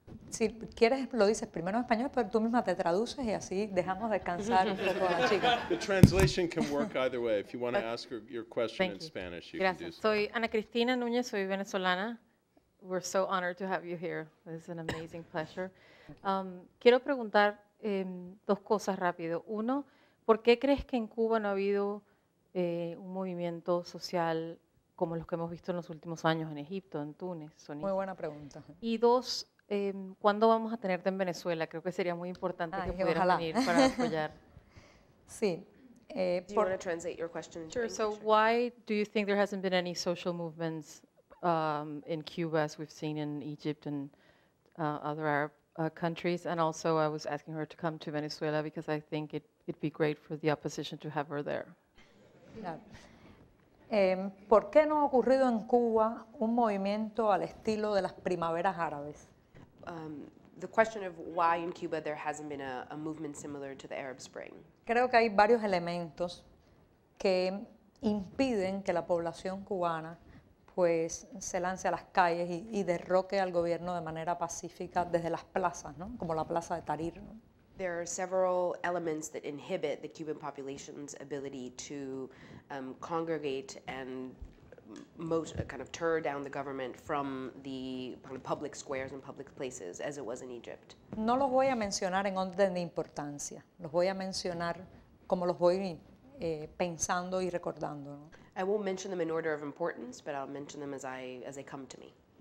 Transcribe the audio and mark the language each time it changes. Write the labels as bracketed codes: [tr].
[es] Si quieres, lo dices primero en español, pero tú misma te traduces y así dejamos descansar un poco a la chica. [en] The translation can work either way. If you want to ask your question in Spanish, you [es] Gracias. [en] Can do so. [es] Soy Ana Cristina Núñez, soy venezolana. [en] We're so honored to have you here. This is an amazing pleasure. [es] Quiero preguntar dos cosas rápido. Uno, ¿por qué crees que en Cuba no ha habido un movimiento social como los que hemos visto en los últimos años en Egipto, en Túnez, Tunis? Muy buena pregunta. Y dos, ¿cuándo vamos a tenerte en Venezuela? Creo que sería muy importante que pudieras venir para apoyar. Sí. [en] Do you want to translate your question into English? Sure. So why do you think there hasn't been any social movements in Cuba as we've seen in Egypt and other Arab countries? And also I was asking her to come to Venezuela because I think it'd be great for the opposition to have her there. [es] Claro. ¿Por qué no ha ocurrido en Cuba un movimiento al estilo de las primaveras árabes? [en] The question of why in Cuba there hasn't been a movement similar to the Arab Spring. [es] Creo que hay varios elementos que impiden que la población cubana pues se lance a las calles y derroque al gobierno de manera pacífica desde las plazas, ¿no? Como la plaza de Tahrir, ¿no? [en] There are several elements that inhibit the Cuban population's ability to congregate and kind of tear down the government from the public squares and public places, as it was in Egypt. [es] No los voy a mencionar en orden de importancia. Los voy a mencionar como los voy pensando y recordando, ¿no? [en] I won't mention them in order of importance, but I'll mention them as they come to me.